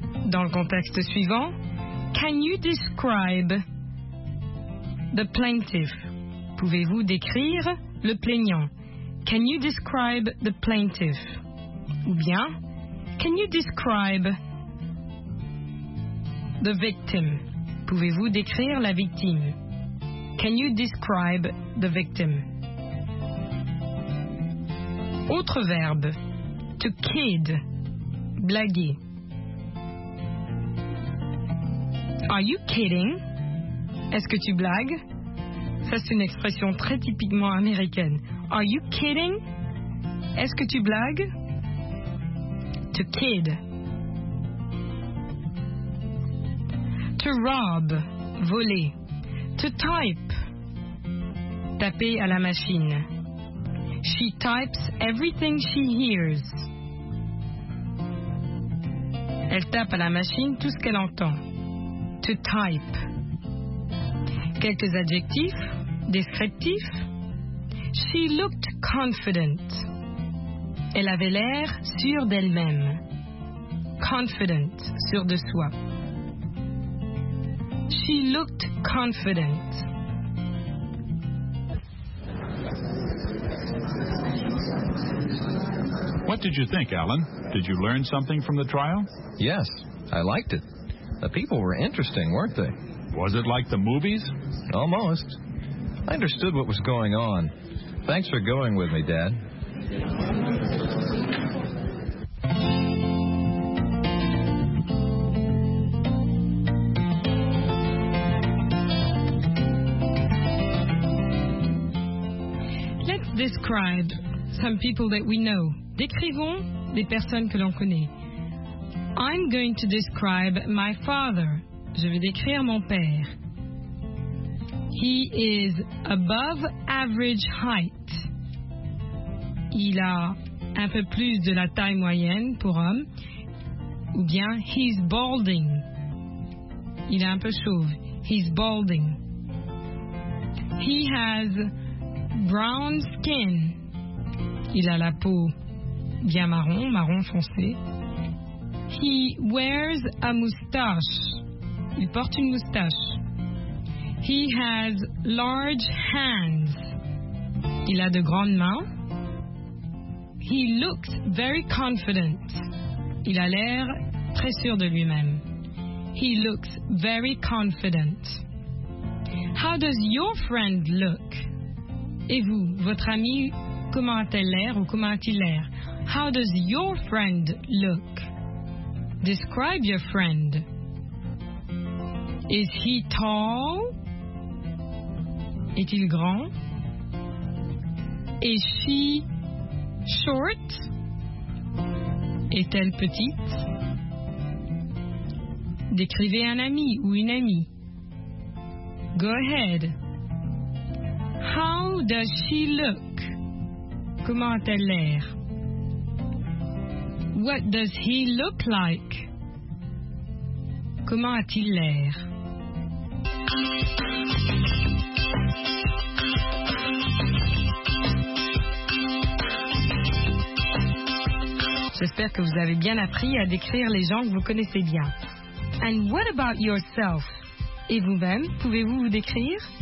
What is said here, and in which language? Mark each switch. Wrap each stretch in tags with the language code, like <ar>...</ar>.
<fr>Dans le contexte suivant,</fr> <en>can you describe the plaintiff?</en> <fr>Pouvez-vous décrire le plaignant?</fr> <en>Can you describe the plaintiff?</en> <fr>Ou bien,</fr> <en>can you describe the victim?</en> <fr>Pouvez-vous décrire la victime?</fr> <en>Can you describe the victim?</en> <fr>Autre verbe,</fr> <en>to kid,</en> <fr>blaguer.</fr> <en>Are you kidding?</en> <fr>Est-ce que tu blagues? Ça, c'est une expression très typiquement américaine.</fr> <en>Are you kidding?</en> <fr>Est-ce que tu blagues?</fr> <en>To kid. To rob,</en> <fr>voler.</fr> <en>To type,</en> <fr>taper à la machine. She types everything she hears. Elle tape à la machine tout ce qu'elle entend.</fr> <en>To type.</en> <fr>Quelques adjectifs, descriptifs.</fr> <en>She looked confident.</en> <fr>Elle avait l'air sûre d'elle-même. Confident, sûre de soi.</fr> <en>She looked confident. What did you think, Alan? Did you learn something from the trial? Yes, I liked it. The people were interesting, weren't they? Was it like the movies? Almost. I understood what was going on. Thanks for going with me, Dad. Let's describe some people that we know.</en> <fr>Décrivons des personnes que l'on connaît.</fr> <en>I'm going to describe my father.</en> <fr>Je vais décrire mon père.</fr> <en>He is above average height.</en> <fr>Il a un peu plus de la taille moyenne pour homme.</fr> <en>Ou bien, he's balding.</en> <fr>Il est un peu chauve.</fr> <en>He's balding. He has brown skin.</en> <fr>Il a la peau bien marron, marron foncé.</fr> <en>He wears a moustache.</en> <fr>Il porte une moustache.</fr> <en>He has large hands.</en> <fr>Il a de grandes mains.</fr> <en>He looks very confident.</en> <fr>Il a l'air très sûr de lui-même.</fr> <en>He looks very confident. How does your friend look?</en> <fr>Et vous, votre ami, comment a-t-elle l'air ou comment a-t-il l'air?</fr> <en>How does your friend look? Describe your friend. Is he tall?</en> <fr>Est-il grand?</fr> <en>Is she short?</en> <fr>Est-elle petite? Décrivez un ami ou une amie.</fr> <en>Go ahead. How does she look?</en> <fr>Comment a-t-elle l'air?</fr> <en>What does he look like?</en> <fr>Comment a-t-il l'air? J'espère que vous avez bien appris à décrire les gens que vous connaissez bien.</fr> <en>And what about yourself?</en> <fr>Et vous-même, pouvez-vous vous décrire?</fr>